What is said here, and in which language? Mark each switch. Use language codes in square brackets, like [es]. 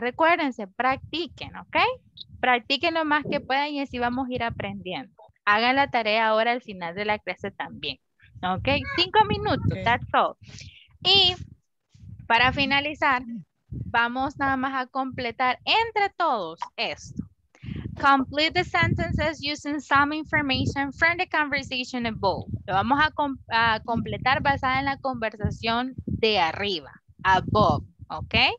[es] Recuérdense, practiquen, ¿ok? Practiquen lo más que puedan y así vamos a ir aprendiendo. Hagan la tarea ahora al final de la clase también, ¿ok? 5 minutos, okay. [en] That's all. [es] Y para finalizar, vamos nada más a completar entre todos esto. [en] Complete the sentences using some information from the conversation above. [es] Lo vamos a completar basada en la conversación de arriba, above, ¿ok?